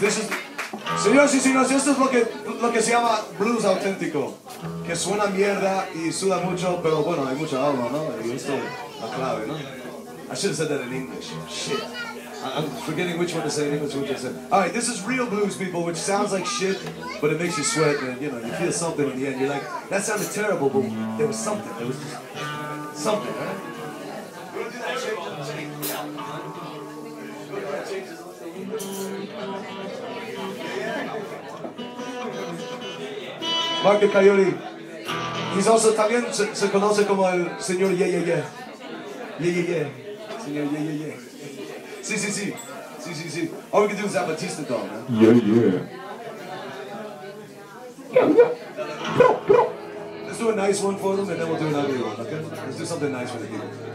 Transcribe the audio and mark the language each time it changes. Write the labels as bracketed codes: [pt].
[en] This is, [es] señores y señores, esto es lo que se llama blues auténtico, que suena mierda y suda mucho, pero bueno, hay mucha alma, ¿no? Y esto es la clave, ¿no? [en] I should have said that in English. Shit. I'm forgetting which one to say in English, which I said. All right, this is real blues, people, which sounds like shit, but it makes you sweat, and you know, you feel something in the end. You're like, that sounded terrible, but there was something. There was just something, right? Mark the Coyote. He's also [es] también se conoce como el señor Yeah Yeah Yeah. Yeah Yeah Yeah. Señor Yeah Yeah Yeah. Si, si, si. Si, si, si. [en] All we can do is have a Batista dog, man. Yeah Yeah. Let's do a nice one for them and then we'll do an ugly one, okay? Let's do something nice for the people.